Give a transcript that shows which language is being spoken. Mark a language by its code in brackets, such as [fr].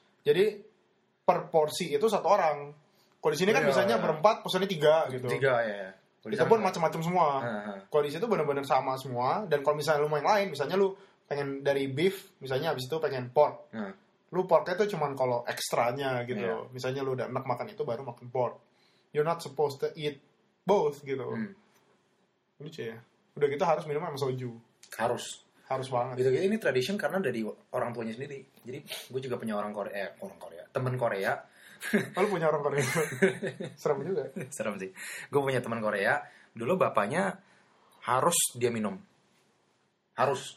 [id] Jadi per porsi itu satu orang. Kalau di sini kan misalnya berempat pesennya tiga gitu. Tiga ya. Itu pun macam-macam semua. Kalau di sini tuh benar-benar sama semua. Dan kalau misalnya lu mau yang lain, misalnya lu pengen dari beef, misalnya abis itu pengen pork. Lu porknya tuh cuman kalau ekstranya gitu. Yeah. Misalnya lu udah enak makan itu baru makan pork. [en] You're not supposed to eat both gitu. [id] Lucu ya. Udah gitu harus minum sama soju. Harus banget. Gitu-gitu ini tradition karena dari orang tuanya sendiri. Jadi gue juga punya teman Korea. Oh, lu punya orang Korea. Serem juga. Serem sih. Gue punya teman Korea, dulu bapaknya harus dia minum. Harus.